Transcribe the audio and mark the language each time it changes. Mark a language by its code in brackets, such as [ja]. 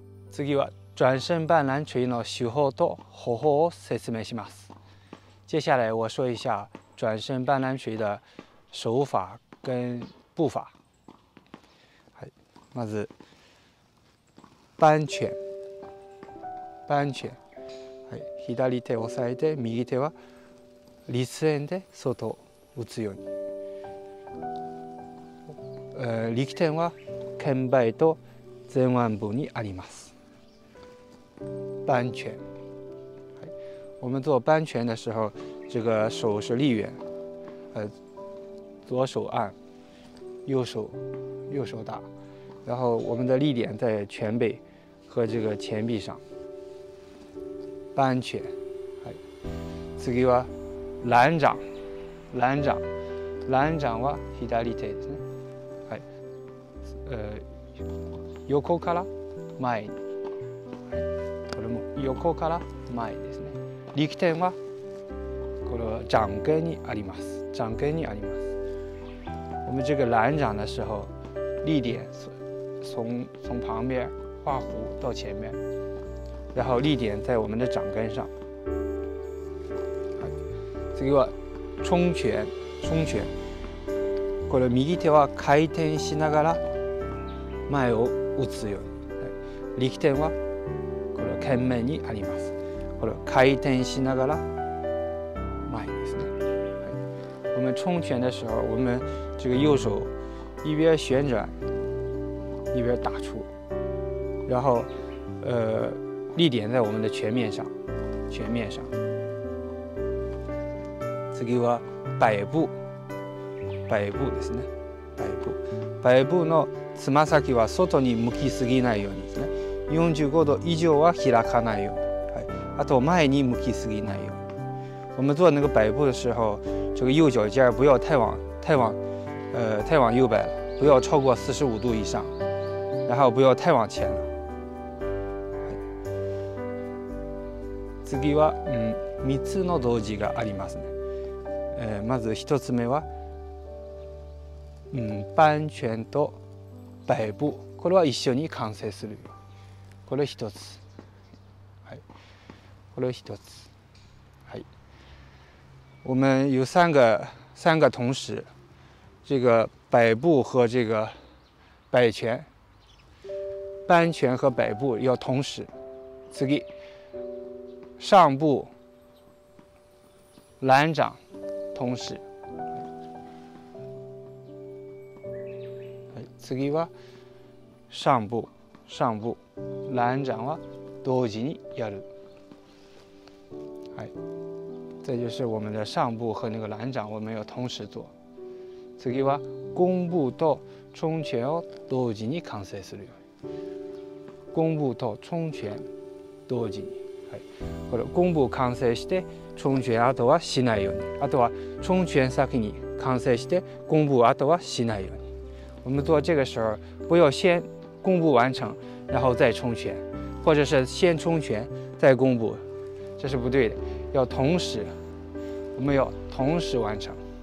[ja] 次は转身斑斓锤の手法と方法を説明します。 [zh] 接下来我说一下转身斑斓锤的手法跟步法。 [ja] まず斑拳、はい、左手を押さえて右手は立円で外を打つように、力点は肩背と前腕部にあります。 [zh] 扳拳、はい、我们做扳拳的时候，这个手是立圆，左手按，右手打，然后我们的力点在拳背和这个前臂上。 [ja] 扳拳，はい。次は蘭掌，蘭掌は左手ですね。はい。横から前に。これも横から前ですね。力点はこの掌根にあります。掌根にあります。 [zh] 我们这个蘭掌的时候，力点从旁边画弧到前面，然后力点在我们的掌根上。 [ja] 次は冲拳、冲拳。これ右手は回転しながら前を打つように。力点はこの肩面にあります。これ回転しながら前ですね。 [zh] 我们冲拳的时候，我们这个右手一边旋转，一边打出，然后力点在我们的拳面上，拳面上。 [ja] 次は摆布、摆布ですね。摆布、摆布のつま先は外に向きすぎないようにですね。 45度以上は開かないように。はい、あと前に向きすぎないように。 [zh] 我们做那个摆布的时候，这个右脚尖不要太往右摆了，不要超过45度以上，然后不要太往前了。 [ja] はい、次は3つの動作がありますね。まず一つ目は、扳拳と摆布、これは一緒に完成する。これ一つ、はい、これ一つ、はい。 [zh] 我们有三个同时，这个摆布和这个摆拳，扳拳和摆布要同时。 [ja] 次、上部蘭掌。同時、はい、次は上部蘭掌は同時にやる。 [zh] はい、这就是我们的上部和那个蘭掌我们要同时做。 [ja] 次は弓步と冲拳を同時に完成する。弓步と冲拳同時に、はい、これ弓步完成して冲拳後はしないように。あとは冲拳先に完成して弓步後はしないように。 [zh] 我们做这个时候不要先弓步完成然后再冲拳，或者是先冲拳再弓步，这是不对的。要同时，我们要同时完成。